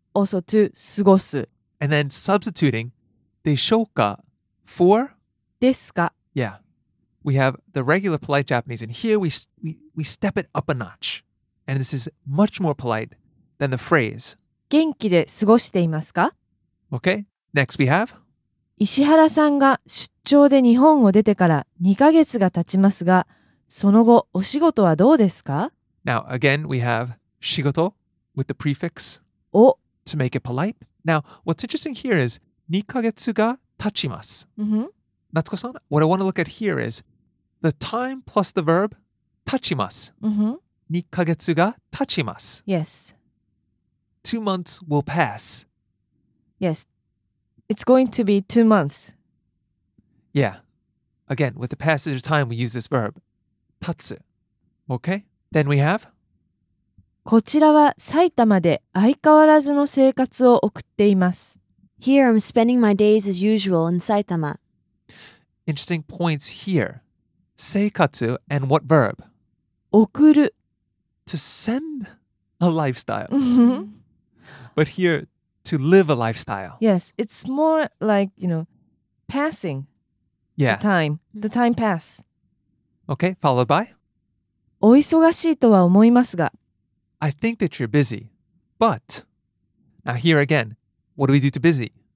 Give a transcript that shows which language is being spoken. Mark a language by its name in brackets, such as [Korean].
[English] also to sugosu, and then substituting deshouka for [Japanese] desuka. [English] Yeah, we have the regular polite Japanese, and here we step it up a notch, and this is much more polite than the phrase [Japanese] genki de sugoshiteimasu ka. [English] Okay, next we have [Japanese] 石原さんが出張で日本を出てから2ヶ月が経ちますが、その後お仕事はどうですか? [English] Now, again, we have 仕事 with the prefix [Japanese] お [English] to make it polite. Now, what's interesting here is [Japanese] 2ヶ月が経ちます。 Mm-hmm. [English] Natsuko-san, what I want to look at here is the time plus the verb 経ちます。 Mm-hmm. [Japanese] 2ヶ月が経ちます。 [English] Yes. 2 months will pass. Yes. It's going to be 2 months. Yeah. Again, with the passage of time, we use this verb, tatsu. Okay? Then we have? [Japanese] こちらは埼玉で相変わらずの生活を送っています。 [English] Here, I'm spending my days as usual in Saitama. Interesting points here. 生活 and what verb? [Japanese] 送る。 [English] To send a lifestyle. Mm-hmm. But here... To live a lifestyle. Yes, it's more like, you know, passing yeah. The time pass. Okay, followed by? [Japanese] お忙しいとは思いますが。 [English] I think that you're busy, but... Now here again, what do we do to busy?